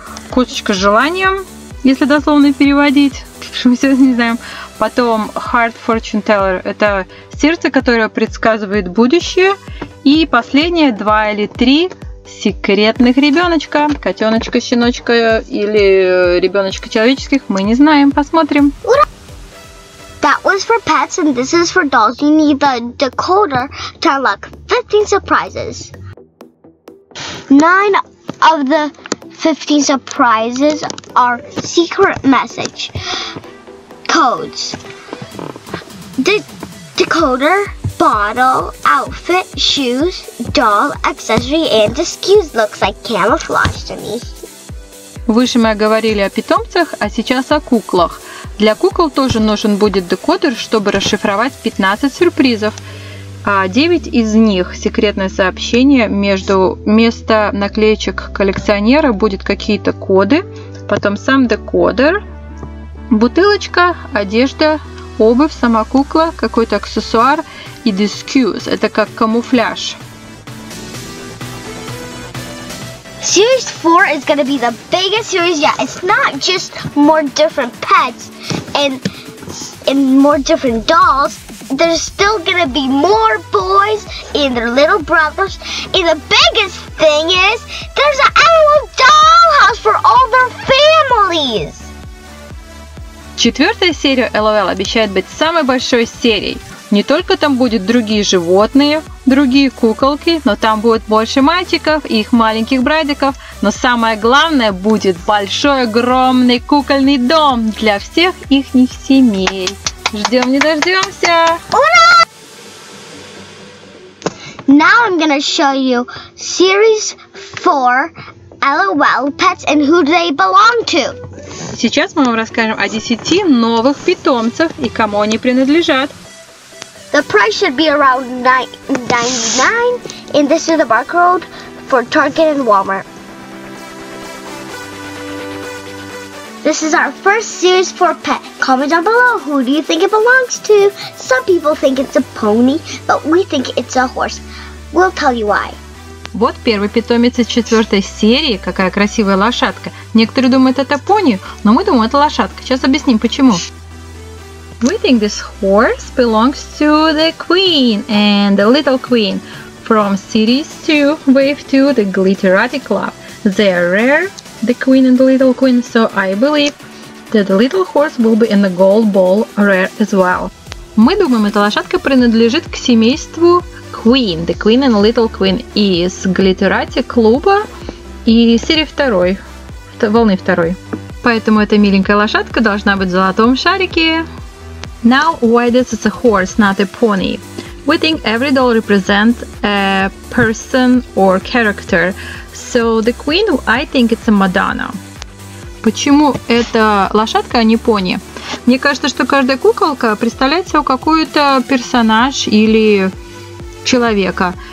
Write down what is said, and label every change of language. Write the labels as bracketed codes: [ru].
[ru] Косточка с желанием, если дословно переводить, мы сейчас не знаем. Потом Heart Fortune Teller – это сердце, которое предсказывает будущее. И последнее – 2 или 3 секретных ребеночка. Котеночка, щеночка или ребеночка человеческих, мы не знаем, посмотрим. [en] That was for pets and this is for dolls. You need the decoder to unlock 15 surprises. 9 of the 15 surprises are secret message codes. Decoder, bottle, outfit, shoes, doll, accessory and excuse looks like camouflage to me. [ru] Выше мы говорили о питомцах, а сейчас о куклах. Для кукол тоже нужен будет декодер, чтобы расшифровать 15 сюрпризов. А 9 из них секретное сообщение. Между места наклеечек коллекционера будет какие-то коды. Потом сам декодер, бутылочка, одежда, обувь, сама кукла, какой-то аксессуар и дискьюз. Это как камуфляж. [en] Series 4 is going to be the biggest series yet. It's not just more different pets and more different dolls. There's still going to be more boys and their little brothers. And the biggest thing is there's an animal dollhouse for all their families. [ru] Четвертая серия LOL обещает быть самой большой серией. Не только там будут другие животные, другие куколки, но там будет больше мальчиков и их маленьких братиков. Но самое главное, будет большой огромный кукольный дом для всех их семей. Ждем не дождемся! Ура! [en] Now I'm gonna show you series 4 LOL pets and who they belong to. [ru] Сейчас мы вам расскажем о 10 новых питомцах и кому они принадлежат. [en] The price should be around $9.99, and this is the barcode for Target and Walmart. This is our first series for pet. Comment down below, who do you think it belongs to? Some people think it's a pony, but we think it's a horse. We'll tell you why. [ru] Вот первый питомец из четвертой серии. Какая красивая лошадка. Некоторые думают, это пони, но мы думаем, это лошадка. Сейчас объясним, почему. [en] We think this horse belongs to the queen and the little queen from series 2, wave 2, the Glitterati Club. They are rare, the queen and the little queen, so I believe that the little horse will be in the gold ball rare as well. [ru] Мы думаем, эта лошадка принадлежит к семейству queen, [en] the queen and the little queen [ru] из Glitterati Club и серии 2, волны 2. Поэтому эта миленькая лошадка должна быть в золотом шарике. [en] Now, why this is a horse, not a pony? We think every doll represents a person or character. So the queen, I think it's a Madonna. [ru] Почему это лошадка, а не пони? Мне кажется, что каждая куколка представляет себе какой-то персонаж или человека.